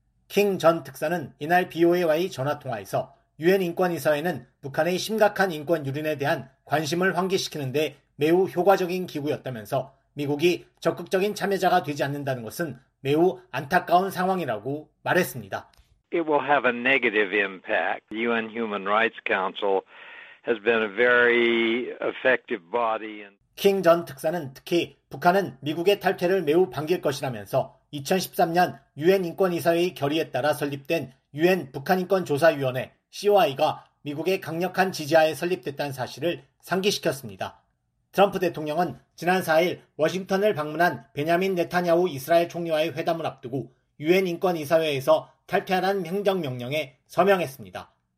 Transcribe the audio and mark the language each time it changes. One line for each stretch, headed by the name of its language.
Korean: 킹 전 특사는 이날 BOA와의 전화통화에서 유엔 인권이사회는 북한의 심각한 인권 유린에 대한 관심을 환기시키는 데 매우 효과적인 기구였다면서 미국이 적극적인 참여자가 되지 않는다는 것은 매우 안타까운 상황이라고 말했습니다.
English: It will have a negative impact. UN Human Rights Council has been a very effective body.
Korean: 킹 전 특사는 특히 북한은 미국의 탈퇴를 매우 반길 것이라면서 2013년 유엔 인권이사회의 결의에 따라 설립된 유엔 북한인권조사위원회 COI가 미국의 강력한 지지하에 설립됐다는 사실을 상기시켰습니다. 트럼프 대통령은 지난 4일 워싱턴을 방문한 베냐민 네타냐후 이스라엘 총리와의 회담을 앞두고 유엔 인권이사회에서 탈퇴하라는 행정명령에 서명했습니다.